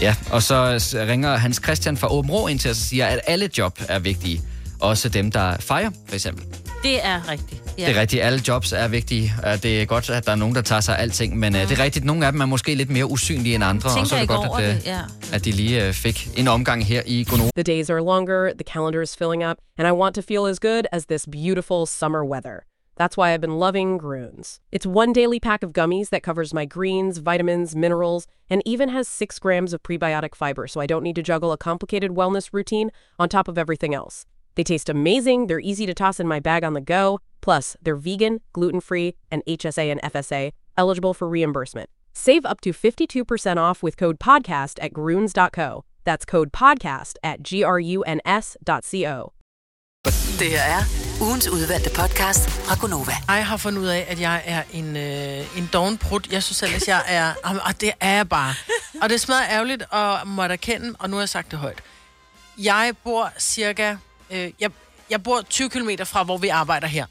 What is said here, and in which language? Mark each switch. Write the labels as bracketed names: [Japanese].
[Danish] Ja, og så ringer Hans Christian fra Åben Rå ind til os og siger, at alle job er vigtige. Også dem, der fejrer, for eksempel. Det er rigtigt. Ja. Det er rigtigt, alle jobs er vigtige. Det er godt, at der er nogen, der tager sig alting, men det er rigtigt, nogle af dem er måske lidt mere usynlige end andre, og så er det godt, at de lige fik en omgang her i Gonova. [English] The days are longer, the calendar is filling up, and I want to feel as good as this beautiful summer weather. That's why I've been loving Grunes. It's one daily pack of gummies that covers my greens, vitamins, minerals, and even has 6 grams of prebiotic fiber, so I don't need to juggle a complicated wellness routine on top of everything else. They taste amazing, they're easy to toss in my bag on the go, plus they're vegan, gluten-free, and HSA and FSA, eligible for reimbursement. Save up to 52% off with code PODCAST at grunes.co. That's code PODCAST at grunes.co. [Danish] Det her er ugens udvalgte podcast fra Gonova. Jeg har fundet ud af, at jeg er en dovenprut. Jeg synes selv, at jeg er, og det er jeg bare. Og det er smadret ærgerligt at måtte erkende, og nu har jeg sagt det højt. Jeg bor cirka... Jeg bor 20 km fra, hvor vi arbejder her.